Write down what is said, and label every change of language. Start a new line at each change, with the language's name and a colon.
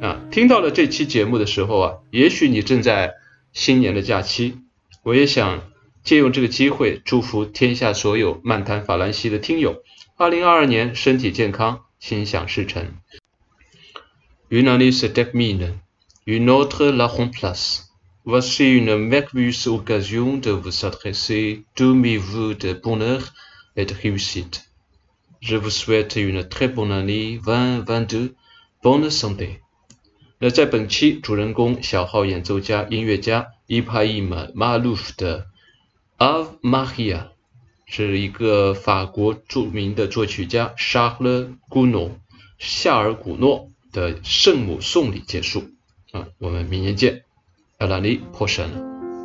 Chinese: 听到了这期节目的时候啊，也许你正在新年的假期，我也想借用这个机会祝福天下所有漫谈法兰西的听友2022年身体健康，心想事成。
French: Une année se termine, une autre la remplace. Voici une merveilleuse occasion de vous adresser tous mes vœux de bonheur et de réussite. Je vous souhaite une très bonne année 2022, bonne santé.
Chinese: 那在本期主人公小号演奏家音乐家伊帕伊姆·马鲁夫的 Ave Maria 是一个法国著名的作曲家 Charles Gounod 夏尔古诺的圣母颂礼结束，我们明年见。
French: À l'année prochaine